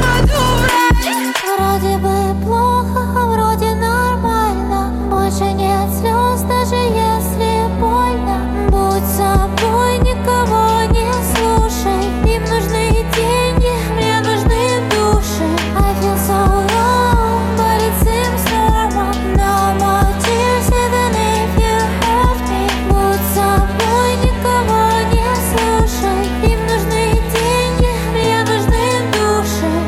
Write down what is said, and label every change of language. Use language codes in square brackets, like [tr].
[ru] Вроде бы плохо, а вроде нормально. Больше нет слез, даже если больно. Будь собой, никого не слушай. Им нужны деньги, мне нужны души. [en] I feel so wrong, but it seems normal. No more tears, even if you hurt me. [ru] Будь собой, никого не слушай. Им нужны деньги, мне нужны души.